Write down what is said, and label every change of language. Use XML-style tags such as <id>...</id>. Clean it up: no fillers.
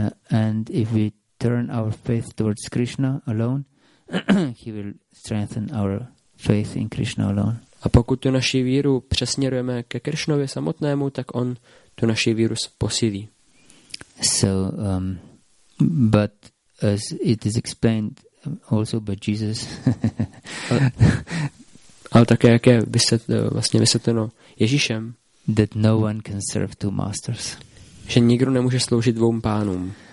<en>And if we turn our faith towards Krishna alone, he will strengthen our faith in Krishna alone.</en> <cs>A pokud tu naši víru přesměrujeme ke Krishnovi samotnému, tak on tu naši víru posílí.</cs> <en>So, but as it is explained also by Jesus.</en> <cs>Ale také jak je vysvětleno Ježíšem,</cs> <en>that no one can serve two masters.</en> <cs>Že nikdo nemůže sloužit dvou pánům.</cs>